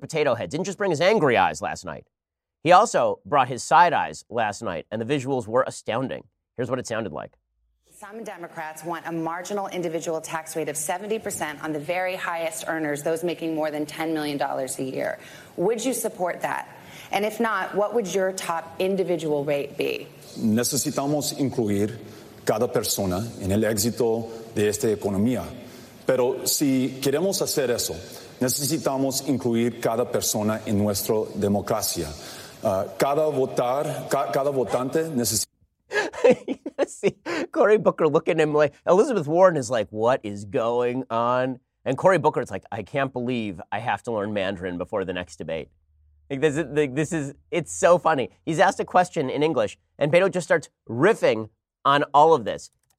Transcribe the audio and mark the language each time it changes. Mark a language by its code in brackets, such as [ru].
[en] Potato Head, didn't just bring his angry eyes last night. He also brought his side eyes last night, and the visuals were astounding. Here's what it sounded like. Some Democrats want a marginal individual tax rate of 70% on the very highest earners, those making more than $10 million a year. Would you support that? And if not, what would your top individual rate be? [es] Necesitamos incluir cada persona en el éxito de esta economía. Pero si queremos hacer eso, necesitamos incluir cada persona en nuestra democracia. Cada votante necesita... [en] See, Cory Booker looking at him like, Elizabeth Warren is like, what is going on? And Cory Booker is like, I can't believe I have to learn Mandarin before the next debate. Like, this is, it's so funny. He's asked a question in English, and Beto just starts riffing on all of this.